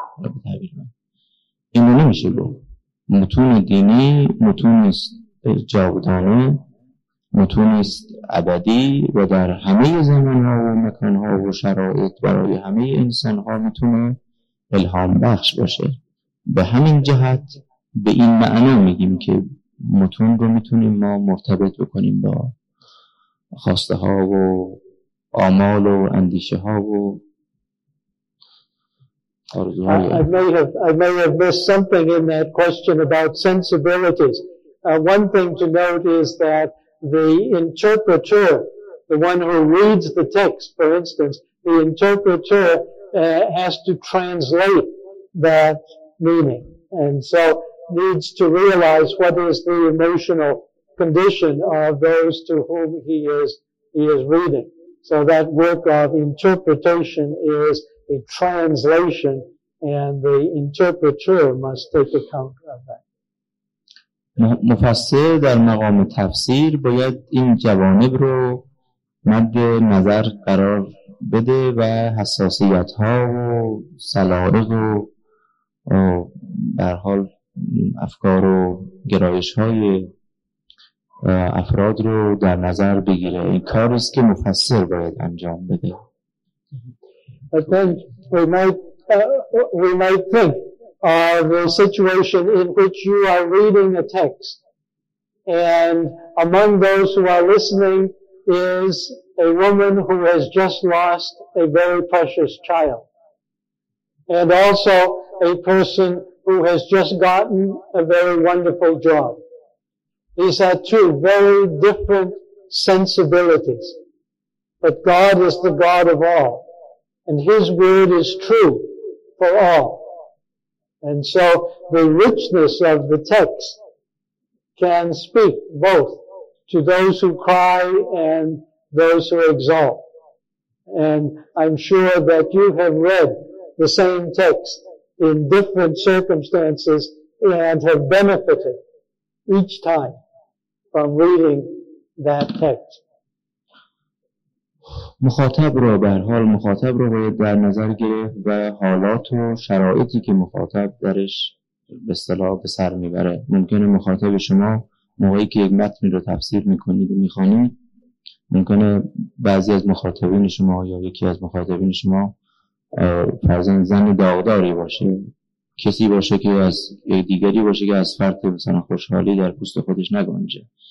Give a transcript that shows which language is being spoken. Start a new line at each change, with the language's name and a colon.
Persian: به تعبیر من اینو نمیشه گفت. متون دینی متونی است جاودانه، متونی است ابدی و در همه زمان ها و مکان ها و شرایط برای همه انسان ها میتونه الهام بخش باشه. به همین جهت به این معنا میگیم که متون رو میتونیم ما مرتبط بکنیم با خواسته ها و آمال و اندیشه ها و آرزوهای.
English: I may have missed something in that question about sensibilities. One thing to note is that the interpreter, the one who reads the text, for instance, the interpreter has to translate that meaning, and so needs to realize what is the emotional condition of those to whom he is reading. So that work of interpretation is a translation, and the interpreter must take account of that.
Persian: مفسر در مقام تفسیر باید این جوانب رو مد نظر قرار بده و حساسیت ها و سلایق و برحال افکار و گرایش های افراد رو در نظر بگیره. این کاریست که مفسر باید انجام بده.
English: But then we might think of a situation in which you are reading a text, and among those who are listening is a woman who has just lost a very precious child, and also a person who has just gotten a very wonderful job. These are two very different sensibilities. But God is the God of all, and His word is true for all. And so the richness of the text can speak both to those who cry and those who exalt. And I'm sure that you have read the same text in different circumstances and have benefited each time from reading that text.
Persian: مخاطب را به هر حال مخاطب را باید در نظر گرفت و حالات و شرایطی که مخاطب درش به اصطلاح به سر میبره. ممکنه مخاطب شما موقعی که یک متن رو تفسیر میکنید و میخوانید، ممکنه بعضی از مخاطبین شما یا یکی از مخاطبین شما فرزند زن داغداری باشه، کسی باشه که از دیگری باشه که از فرط مثلا خوشحالی در پوست خودش نگنجه.